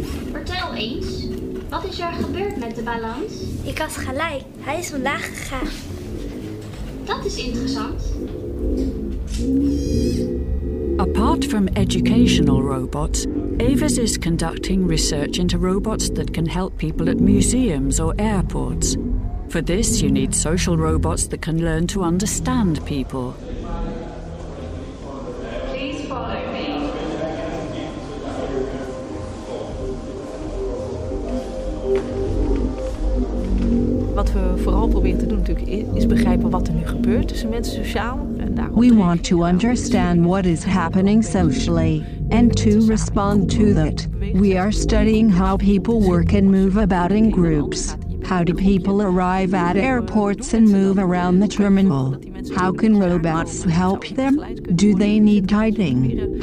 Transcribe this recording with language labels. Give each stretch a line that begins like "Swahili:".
Dutch: Vertel eens, wat is er gebeurd met de balans? Ik had gelijk, hij is omlaag gegaan. Dat is interessant.
English: Apart from educational robots, Avis is conducting research into robots that can help people at museums or airports. For this, you need social robots that can learn to understand people. Please follow me.
Dutch: Wat we vooral proberen te doen natuurlijk is begrijpen wat er nu gebeurt tussen mensen sociaal.
English: We want to understand what is happening socially, and to respond to that. We are studying how people work and move about in groups. How do people arrive at airports and move around the terminal? How can robots help them? Do they need guiding?